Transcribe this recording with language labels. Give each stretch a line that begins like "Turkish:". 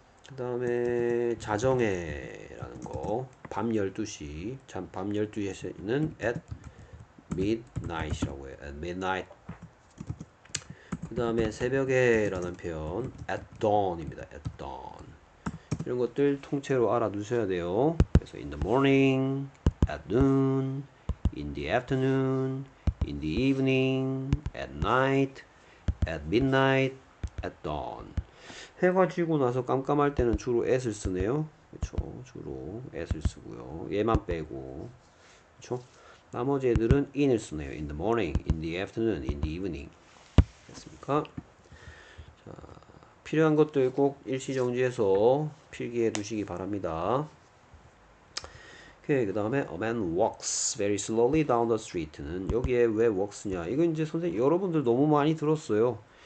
Korean: 그다음에 자정에라는 거. 밤 12시. 밤 12시에는
English: at midnight
Korean: 이라고 해요. at midnight. 그다음에 새벽에라는 표현
English: at dawn
Korean: 입니다. at dawn. 이런 것들 통째로 알아두셔야 돼요.
English: 그래서 in the morning, at noon, in the afternoon, in the evening, at night, at midnight, at dawn.
Korean: 해가 지고 나서 깜깜할 때는 주로 at을 쓰네요. 그쵸. 주로 at을 쓰고요. 얘만 빼고. 그쵸. 나머지 애들은 in을 쓰네요.
English: in the morning, in the afternoon, in the evening.
Korean: 됐습니까? 자, 필요한 것들 꼭 일시정지해서 필기해 두시기 바랍니다.
English: 오케이.
Korean: 그 다음에
English: a man walks very slowly down the street는
Korean: 여기에 왜
English: walks냐?
Korean: 이건 이제 선생님 여러분들 너무 많이 들었어요.